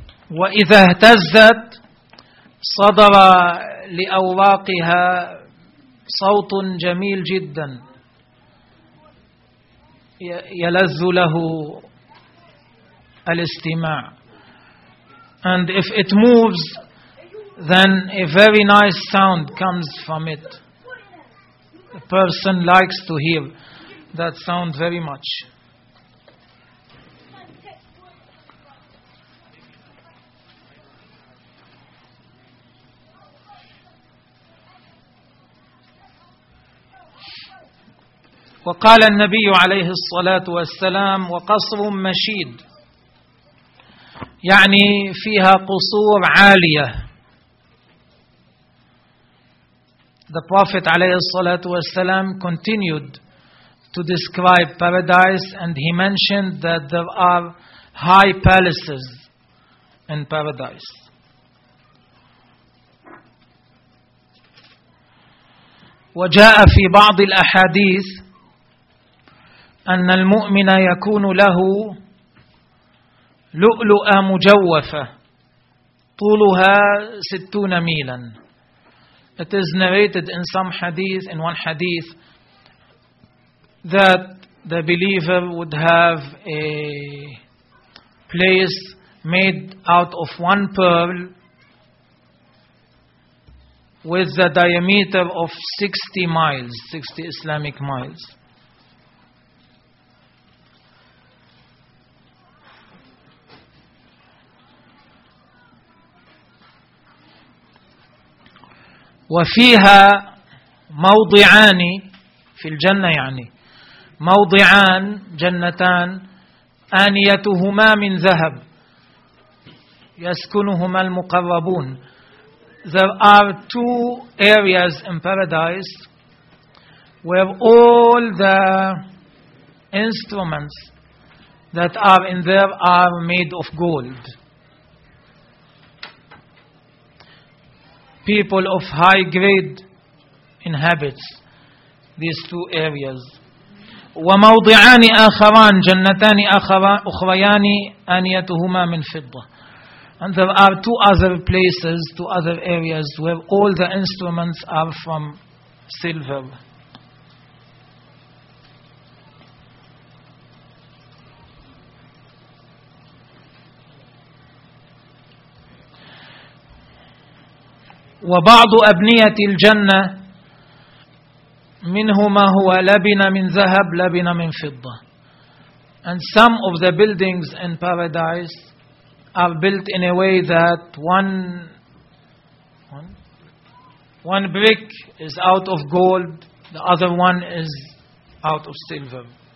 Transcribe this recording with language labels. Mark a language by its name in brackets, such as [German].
[Arabic] وإذا اهتزت صدر لأوراقها صوت جميل جدا يلذ له الاستماع. [English] And if it moves, then a very nice sound comes from it. The person likes to hear that sound very much. [Arabic] وقال النبي عليه الصلاة والسلام وقصر مشيد, يعني فيها قصور عالية. [English] The Prophet [Arabic] عليه الصلاة والسلام [English] continued to describe paradise, and he mentioned that there are high palaces in paradise. [Arabic] وجاء في بعض الأحاديث أن المؤمن يكون له لؤلؤة مجوفة طولها 60 ميلا. [English] It is narrated in some hadith, in one hadith, that the believer would have a place made out of one pearl with the diameter of 60 miles, 60 Islamic miles. [Arabic] وفيها موضعان في الجنة يعني موضعان جنتان آنيتهما من ذهب يسكنهما المقربون. [English] There are two areas in paradise where all the instruments that are in there are made of gold. People of high grade inhabit these two areas. [Arabic] وموضعان آخران جنتان أخريان آنيتهما من فضة. [English] And there are two other places, two other areas where all the instruments are from silver. [Arabic] وبعض أبنية الجنة منهما هو لبن من ذهب لبن من فضة. [English] And some of the buildings in paradise are built in a way that one brick is out of gold, the other one is out of silver.